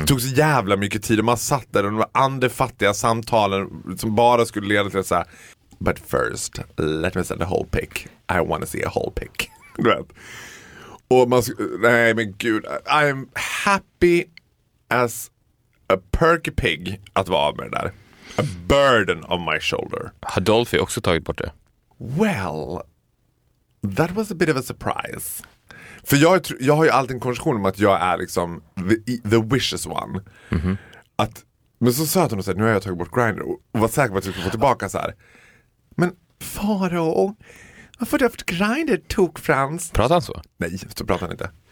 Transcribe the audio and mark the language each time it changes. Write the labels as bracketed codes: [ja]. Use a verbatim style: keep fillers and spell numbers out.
[sv] Det tog så jävla mycket tid. Och man satt där och de var andefattiga samtalen som bara skulle leda till så här: [en] but first, let me send a whole pic. I wanna see a whole pic. [sv] Du vet. Och man, nej men gud, [en] I'm happy as a perky pig [sv] att vara av med det där. [en] A burden on my shoulder. [sv] Har Dolphy också tagit bort det? [en] Well, that was a bit of a surprise. [sv] För jag, jag har ju alltid en konversation om att jag är liksom [en] the, the wishes one. Mm-hmm. [sv] Att Men så sa hon och sa, nu har jag tagit bort Grindr och var säker på att jag skulle få tillbaka så här. Men Faro, varför har du haft Grindr, tok Frans? Pratar han så? Nej, så pratar han inte.